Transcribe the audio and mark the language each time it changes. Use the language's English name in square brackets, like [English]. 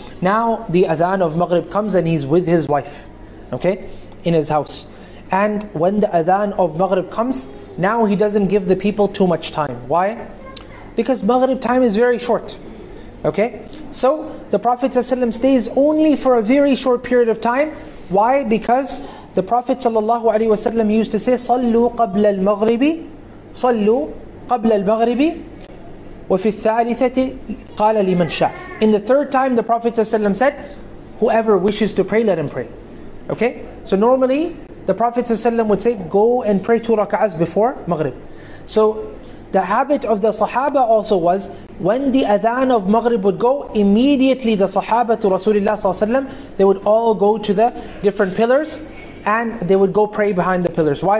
[English] Now the Adhan of Maghrib comes and he's with his wife, okay, in his house. And when the Adhan of Maghrib comes, now he doesn't give the people too much time. Why? Because Maghrib time is very short. Okay, so the Prophet ﷺ stays only for a very short period of time. Why? Because the Prophet ﷺ used to say, [Arabic] صلوا قبل المغرب, صلوا قبل المغرب, وفي الثالثة قال لمن شاء. [English] In the third time, the Prophet ﷺ said, whoever wishes to pray, let him pray. Okay, so normally the Prophet ﷺ would say, go and pray two rak'ahs before Maghrib. So the habit of the Sahaba also was, when the Adhan of Maghrib would go, immediately the Sahaba to Rasulullah ﷺ, they would all go to the different pillars and they would go pray behind the pillars. Why?